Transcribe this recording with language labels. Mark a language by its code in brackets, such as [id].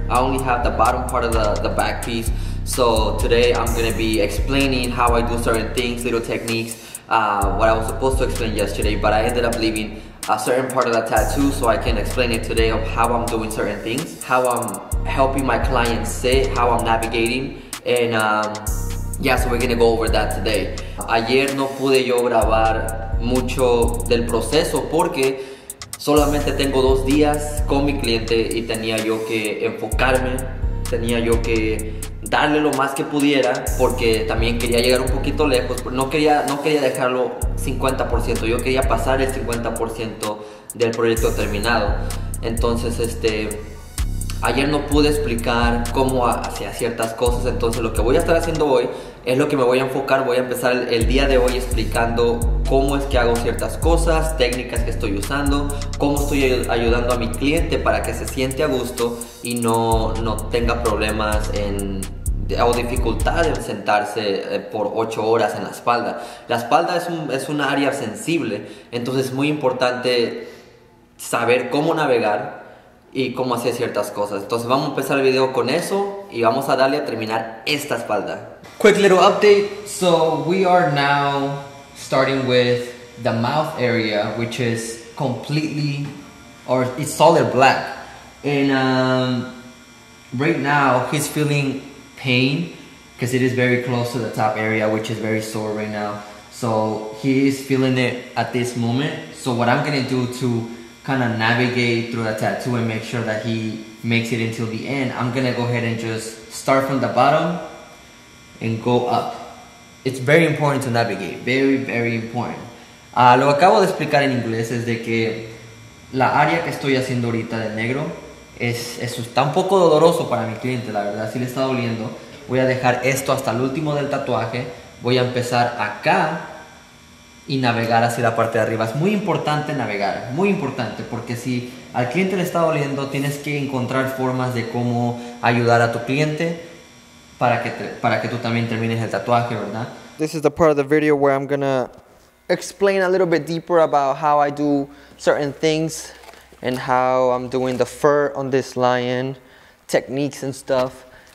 [en] I only have the bottom part of the back piece. So today, I'm gonna be explaining how I do certain things, little techniques, what I was supposed to explain yesterday, but I ended up leaving a certain part of the tattoo so I can explain it today of how I'm doing certain things, how I'm helping my clients sit, how I'm navigating, and yeah, so we're gonna go over that today. [es] Ayer no pude yo grabar mucho del proceso porque solamente tengo 2 días con mi cliente y tenía yo que enfocarme, tenía yo que darle lo más que pudiera porque también quería llegar un poquito lejos, no quería dejarlo 50%, yo quería pasar el 50% del proyecto terminado. Entonces ayer no pude explicar cómo hacía ciertas cosas, entonces lo que voy a estar haciendo hoy es lo que me voy a enfocar, voy a empezar el día de hoy explicando cómo es que hago ciertas cosas, técnicas que estoy usando, cómo estoy ayudando a mi cliente para que se siente a gusto y no tenga problemas o dificultad en sentarse por 8 horas en la espalda. La espalda es un área sensible, entonces es muy importante saber cómo navegar y cómo hacer ciertas cosas. Entonces vamos a empezar el video con eso y vamos a darle a terminar esta espalda. [en] Quick little update. So we are now starting with the mouth area, which is completely or it's solid black. And right now he's feeling pain because it is very close to the top area, which is very sore right now. So he is feeling it at this moment. So what I'm gonna do to kind of navigate through the tattoo and make sure that he makes it until the end, I'm gonna go ahead and just start from the bottom and go up. It's very important to navigate, very, very important. [es] Lo que acabo de explicar en inglés es de que la área que estoy haciendo ahorita de negro está un poco doloroso para mi cliente, la verdad, sí le está doliendo. Voy a dejar esto hasta el último del tatuaje. Voy a empezar acá y navegar hacia la parte de arriba. Es muy importante navegar, muy importante, porque si al cliente le está doliendo, tienes que encontrar formas de cómo ayudar a tu cliente para que tú también termines el tatuaje, ¿verdad? [en] This is the part of the video where I'm gonna explain a little bit deeper about how I do certain things and how I'm doing the fur on this lion, techniques and stuff.